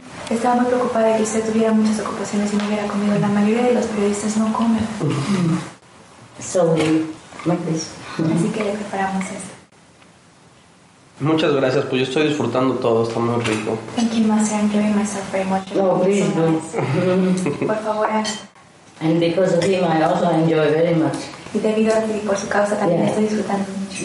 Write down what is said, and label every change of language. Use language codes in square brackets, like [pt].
[es] Estaba muy preocupada que usted tuviera muchas ocupaciones y no hubiera comido. La mayoría de los periodistas no comen. [en] So we make this. [es] Así que le preparamos eso. Muchas gracias, pues yo estoy disfrutando todo, está muy rico. [en] Thank you, Master. I'm giving myself very much. No, please, no. [es] Por favor. [en] And because of him, I also enjoy very much. [es] Y debido a ti, por su causa, también estoy disfrutando mucho.